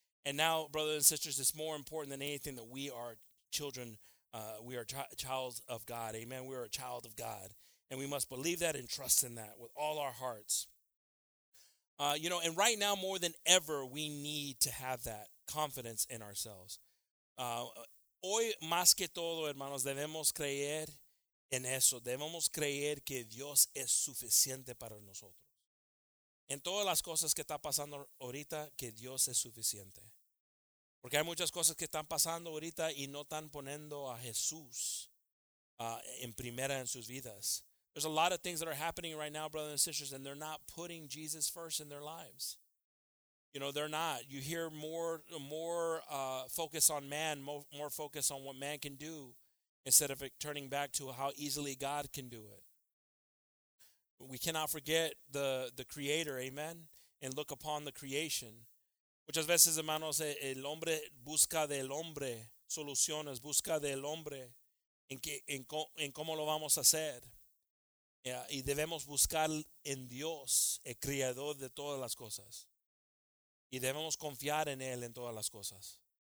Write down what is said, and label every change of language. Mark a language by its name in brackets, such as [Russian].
[English] And now, brothers and sisters, it's more important than anything that we are children. We are child of God. Amen. We are a child of God. And we must believe that and trust in that with all our hearts. You know, and right now more than ever, we need to have that confidence in ourselves. [Spanish] Hoy más que todo, hermanos, debemos creer en eso. Debemos creer que Dios es suficiente para nosotros. En todas las cosas que está pasando ahorita, que Dios es suficiente. Porque hay muchas cosas que están pasando ahorita y no están poniendo a Jesús en primera en sus vidas. [English] There's a lot of things that are happening right now, brothers and sisters, and they're not putting Jesus first in their lives. You know, they're not. You hear more focus on man, more focus on what man can do, instead of turning back to how easily God can do it. We cannot forget the Creator, amen, and look upon the creation. [Spanish] Muchas veces, hermanos, el hombre busca del hombre soluciones, busca del hombre en cómo lo vamos a hacer. Yeah, y debemos buscar en Dios, el Creador de todas las cosas. Y debemos confiar en Él en todas las cosas.